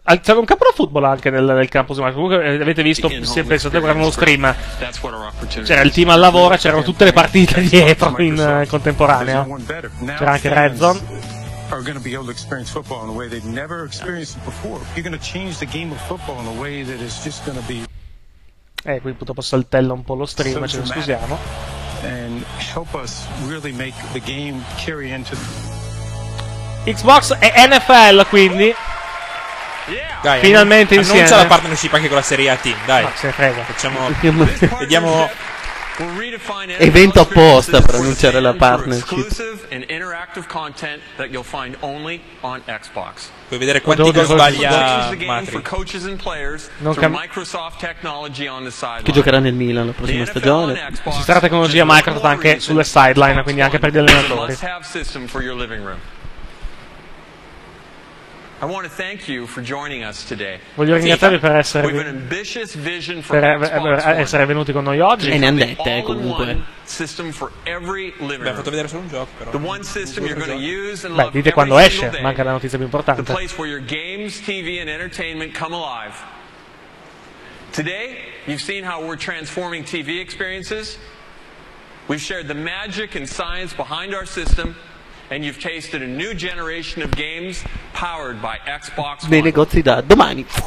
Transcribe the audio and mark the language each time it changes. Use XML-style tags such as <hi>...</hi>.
<it>C'è un campo da football anche nel campus, ma comunque avete visto, se pensate guardando lo stream, c'era il team al lavoro, c'erano tutte le partite dietro in contemporanea, c'era anche Red Zone.</it> <en>Are going to be able to experience football in a way they've never experienced it before. You're going to change the game of football in a way that is just going to be.</en> <it>Qui purtroppo saltella un po' lo stream, so ce lo scusiamo.</it> <en>And help us really make the game carry into Xbox</en> <it>e NFL, quindi. Dai, finalmente insieme. Annuncia la partnership anche con la Serie A team, dai. Ma se ne frega. Facciamo. Vediamo. Evento apposta per annunciare la partnership. Puoi vedere quanti gol sbaglia Matrix. Che giocherà nel Milan la prossima stagione. Ci sarà tecnologia Microsoft anche sulle sideline, quindi anche per gli allenatori.</it> <en>I want to thank you for joining us today.</en> <it>Voglio ringraziarvi per essere venuti con noi oggi. E ne andate comunque. Beh, fatto vedere solo un gioco però.</it> <en>The one system you're going to use and love.</en> <it>Dite quando esce, manca la notizia più importante.</it> <en>The place where your games, TV and entertainment come alive. Today you've seen how we're transforming TV experiences. We've shared the magic and science behind our system. And you've tasted a new generation of games powered by Xbox One.</en> <it>Nei negozi da domani.</it>